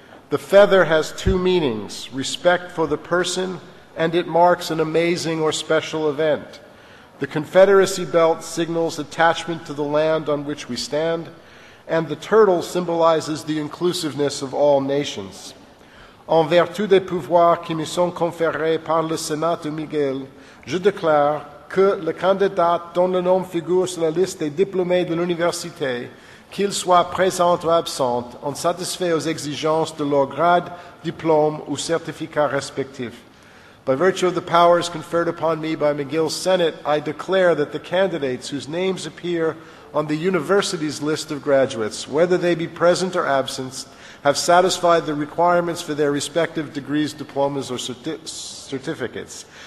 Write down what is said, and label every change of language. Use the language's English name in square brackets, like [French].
[English] The feather has two meanings, respect for the person, and it marks an amazing or special event. The Confederacy belt signals attachment to the land on which we stand, and the turtle symbolizes the inclusiveness of all nations. [French] En vertu des pouvoirs qui me sont conférés par le Sénat de Miguel, je déclare que le candidat dont le nom figure sur la liste des diplômés de l'université, qu'il soit présent ou absent, en satisfait aux exigences de leur grade, diplôme ou certificat respectif. [English] By virtue of the powers conferred upon me by McGill's Senate, I declare that the candidates whose names appear on the university's list of graduates, whether they be present or absent, have satisfied the requirements for their respective degrees, diplomas, or certificates.